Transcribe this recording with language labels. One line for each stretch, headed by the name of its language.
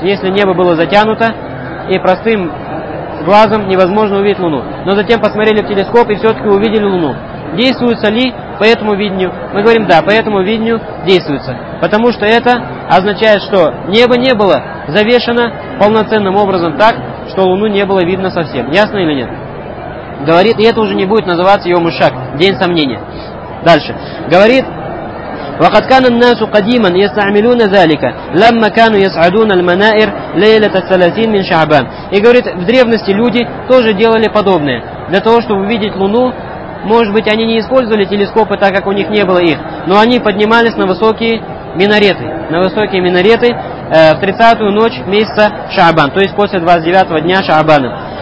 Russian: Если небо было затянуто, и простым глазом невозможно увидеть Луну, но затем посмотрели в телескоп и все-таки увидели Луну, действуется ли по этому видению? Мы говорим, да, по этому видению действуется. Потому что это означает, что небо не было завешено полноценным образом так, что Луну не было видно совсем. Ясно или нет? Говорит, и это уже не будет называться Йом Ишак, день сомнения. Дальше. Говорит...
Arabic: وقد كان الناس قديما يستعملون ذلك لما كانوا يصعدون المنائر ليلة الثلاثين من شعبان.
Russian: И говорит, в древности люди тоже делали подобное. Для того, чтобы увидеть Луну, может быть, они не использовали телескопы, так как у них не было их, но они поднимались на высокие минареты. На высокие минареты в 30-ю ночь месяца Шаабан, то есть после 29-го дня Шаабана.